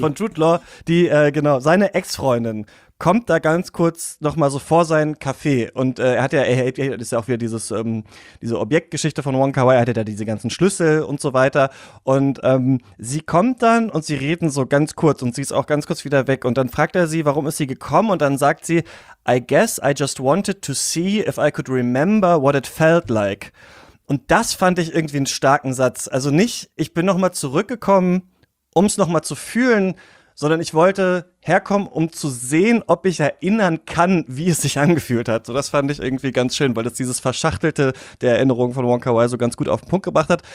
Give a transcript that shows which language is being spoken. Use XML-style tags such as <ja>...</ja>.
<de>Von Jude Law, die, genau, seine Ex-Freundin kommt da ganz kurz noch mal so vor sein Café. Und ist ja auch wieder dieses diese Objektgeschichte von Wong Kar-wai, hat er da diese ganzen Schlüssel und so weiter. Und sie kommt dann und sie reden so ganz kurz und sie ist auch ganz kurz wieder weg. Und dann fragt er sie, warum ist sie gekommen? Und dann sagt sie,</de> <en>I guess I just wanted to see if I could remember what it felt like.</en> <de>Und das fand ich irgendwie einen starken Satz. Also nicht, ich bin noch mal zurückgekommen, um es noch mal zu fühlen, sondern ich wollte herkommen, um zu sehen, ob ich erinnern kann, wie es sich angefühlt hat. So, das fand ich irgendwie ganz schön, weil das dieses Verschachtelte der Erinnerung von Wong Kar-wai so ganz gut auf den Punkt gebracht hat.</de>